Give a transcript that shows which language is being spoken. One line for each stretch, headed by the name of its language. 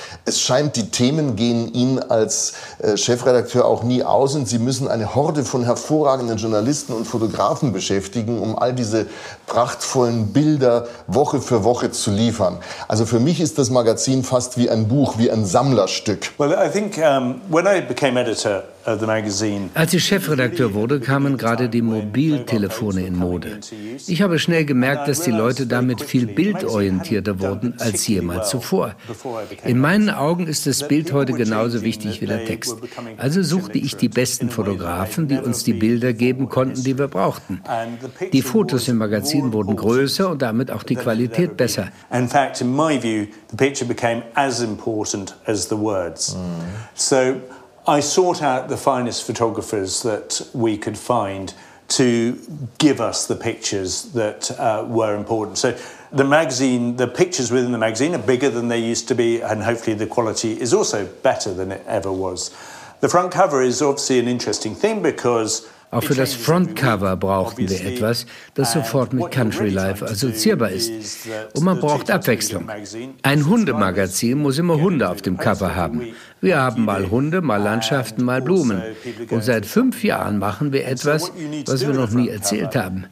German: Es scheint, die Themen gehen Ihnen als Chefredakteur auch nie aus und Sie müssen eine Horde von hervorragenden Journalisten und Fotografen beschäftigen, um all diese prachtvollen Bilder Woche für Woche zu liefern. Also für mich ist das Magazin fast wie ein Buch, wie ein Sammlerstück.
English: Well, I think when I became editor of the magazine.
German: Als ich Chefredakteur wurde, kamen gerade die Mobiltelefone in Mode. Ich habe schnell gemerkt, dass die Leute damit viel bildorientierter wurden als jemals zuvor. In meinen Augen ist das Bild heute genauso wichtig wie der Text. Also suchte ich die besten Fotografen, die uns die Bilder geben konnten, die wir brauchten. Die Fotos im Magazin wurden größer und damit auch die Qualität besser.
English: In fact, in my view, the picture became as important as the words. So I sought out the finest photographers that we could find to give us the pictures that were important. So the magazine, the pictures within the magazine are bigger than they used to be, and hopefully the quality is also better than it ever was. The front cover is obviously an interesting thing because
German: auch für das Frontcover brauchten wir etwas, das sofort mit Country Life assoziierbar ist. Und man braucht Abwechslung. Ein Hundemagazin muss immer Hunde auf dem Cover haben. Wir haben mal Hunde, mal Landschaften, mal Blumen. Und seit 5 Jahren machen wir etwas, was wir noch nie erzählt haben.